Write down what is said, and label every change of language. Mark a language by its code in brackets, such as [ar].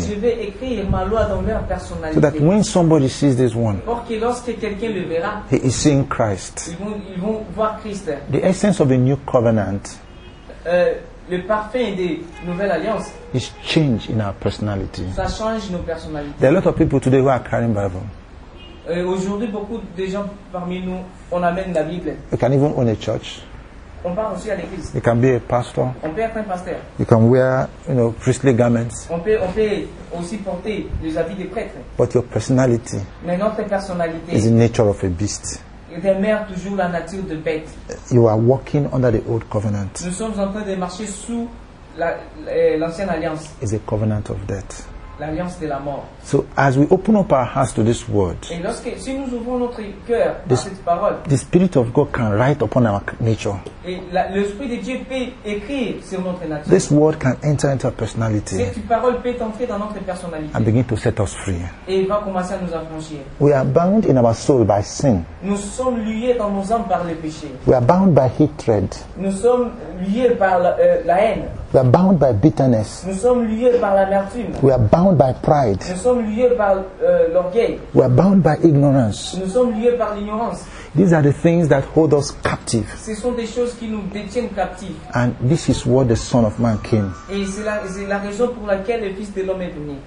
[en] So that when somebody sees this one, he is seeing Christ. The essence of a new covenant [fr] Le parfum des nouvelles alliances [en] is change in our personality. [fr] Ça change nos personnalités. [en] There are a lot of people today who are carrying Bible. [fr] Aujourd'hui, beaucoup de gens parmi nous, on amène la Bible. [en] You can even own a church. [fr] On part aussi à l'église. [en] You can be a pastor. [fr] On peut être un pasteur. [en] You can wear, you know, priestly garments. [fr] On peut aussi porter les habits des prêtres. [en] But your personality, [fr] mais notre personnalité, [en] is the nature of a beast. [fr] Demeure toujours la nature de bête. [en] You are walking under the old covenant. [fr] Nous sommes en train de marcher sous l'ancienne alliance. [en] It's a covenant of death. [fr] L'alliance de la mort. [en] So as we open up our hearts to this word, [fr] et lorsque, si nous ouvrons notre cœur à cette parole, [en] the Spirit of God can write upon our nature. [fr] Et l'Esprit de Dieu peut écrire sur notre nature. [en] This word can enter into our personality. [fr] Cette parole peut entrer dans notre personnalité. [en] And begin to set us free. [fr] Et va commencer à nous affranchir. [en] We are bound in our soul by sin. [fr] Nous sommes liés dans nos âmes par le péché. [en] We are bound by hatred. [fr] Nous sommes liés par la haine. [en] We are bound by bitterness. [fr] Nous sommes liés par l'amertume. [en] We are bound by pride. [fr] Nous sommes liés par l'orgueil. [en] We are bound by ignorance. [fr] Nous sommes liés par l'ignorance. [en] These are the things that hold us captive. [fr] Ce sont des choses qui nous détiennent captifs. [en] And this is what the Son of Man came. [fr] Et c'est la raison pour laquelle le Fils de l'homme est venu.